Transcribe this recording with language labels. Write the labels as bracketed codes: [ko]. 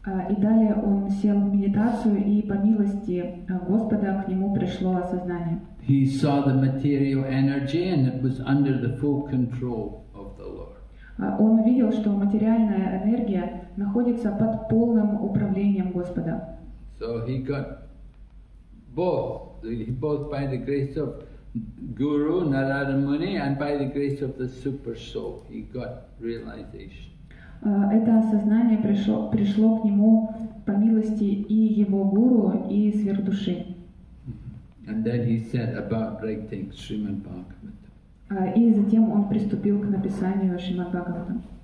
[ru] И далее он сел в медитацию, и по милости Господа к нему пришло осознание. [en] He saw the material energy, and it was under the full control of the Lord. [ru] Он увидел, что материальная энергия находится под полным управлением Господа. [en] So he got both by the grace of Guru Narada Muni and by the grace of the Super Soul, he got realization. [ru] Это осознание пришло к нему по милости и его гуру, и сверхдуши. [en] And then he set about writing Srimad Bhagavatam. [ru] И затем он приступил к написанию Шримад Бхагаватам.